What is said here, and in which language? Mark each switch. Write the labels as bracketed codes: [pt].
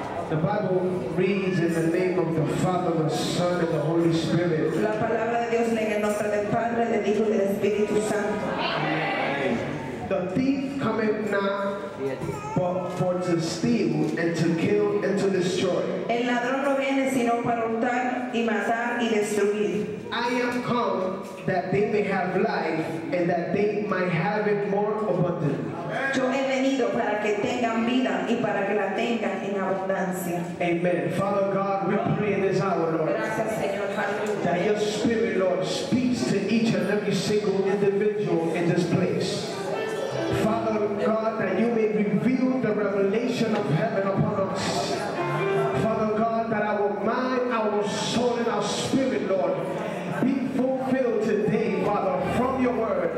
[en] The Bible reads in the name of the Father, the Son, and the Holy Spirit. [es] La palabra de Dios en el nombre del Padre, del Hijo y del Espíritu Santo. [en] Amen. The thief cometh not, but for to steal and to kill and to destroy. [es] El ladrón no viene sino para hurtar y matar y destruir. [en] I am come that they may have life and that they might have it more abundantly. [es] Yo he venido para que tengan vida y para que la tengan en abundancia. [en] Amen. Father God, we pray in this hour, Lord. [es] Gracias, Señor. [en] That your spirit, Lord, speaks to each and every single individual in this place. Father God, that you may reveal the revelation of heaven upon us. Father God, that our mind, our soul, and our spirit, Lord, be fulfilled today, Father, from your word.